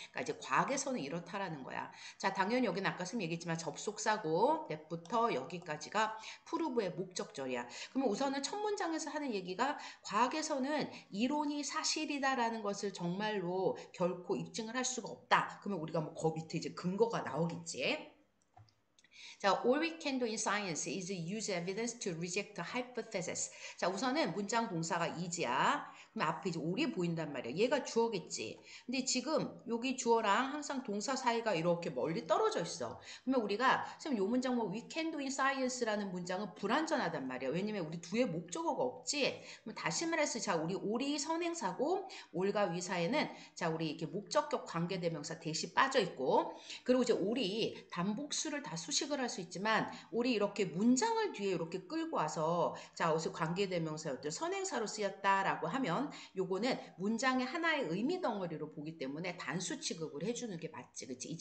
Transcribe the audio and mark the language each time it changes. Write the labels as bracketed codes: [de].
[ko] 그러니까 이제 과학에서는 이렇다라는 거야. 자, 당연히 여기는 아까 선생님 얘기했지만, 접속사고, that부터 여기까지가 프루브의 목적절이야. 그러면 우선은 첫 문장에서 하는 얘기가 과학에서는 이론이 사실이다라는 것을 정말로 결코 입증을 할 수가 없다. 그러면 우리가 뭐거 밑에 이제 근거가 나오겠지. [en] 자, all we can do in science is use evidence to reject hypothesis. [ko] 자, 우선은 문장 동사가 is야. 그럼 앞에 이제 all이 보인단 말이야. 얘가 주어겠지. 근데 지금 여기 주어랑 항상 동사 사이가 이렇게 멀리 떨어져 있어. 그러면 우리가 지금 이 문장 뭐 we can do in science라는 문장은 불완전하단 말이야. 왜냐면 우리 두의 목적어가 없지. 그럼 다시 말해서 자, 우리 all이 선행사고 all과 we 사이에는 자, 우리 이렇게 목적격 관계대명사 대시 빠져 있고 그리고 이제 all이 단복수를 다 수식을 할수 있지만 우리 이렇게 문장을 뒤에 이렇게 끌고 와서 자 어디서 관계대명사였던 선행사로 쓰였다라고 하면 요거는 문장의 하나의 의미 덩어리로 보기 때문에 단수 취급을 해주는 게 맞지, 그치?